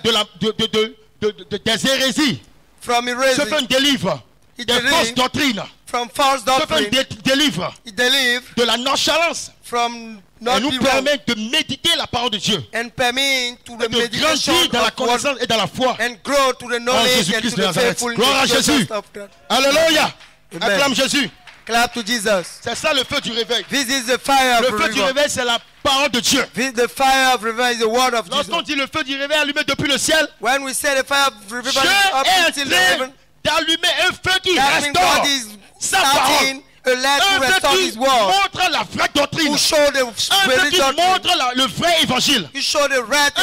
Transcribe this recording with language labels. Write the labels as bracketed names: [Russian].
[French] de la, des hérésies. [English] From [French] ce feu délivre des fausses doctrines. [English] From false doctrine. [French] Ce feu délivre de la nonchalance. [English] From [French] et nous permet de méditer la parole de Dieu. [English] And to [French] et de grandir dans la connaissance et dans la foi. [English] And grow to the knowledge oh, Jésus Christ and to the faithfulness. [French] Gloire à Jésus. Alléluia. Acclame Jésus. [English] Clap to Jesus. [French] C'est ça le feu du réveil. [English] This is the fire [French] le [English] of [French] feu [English] river. [French] Du réveil, c'est la parole de Dieu. [English] This the fire of revival is the word of [French] lorsqu'on [English] Jesus. [French] Lorsqu'on dit le feu du réveil allumé depuis le ciel, [English] when we say the fire of revival [French] Dieu [English] up [French] est [English] until the heaven, [French] d'allumer un feu qui restaure sa parole, un feu qui montre la vraie doctrine, [English] show the [French] un feu qui [English] doctrine. [French] Montre la, le vrai évangile, [English] show the right [French] un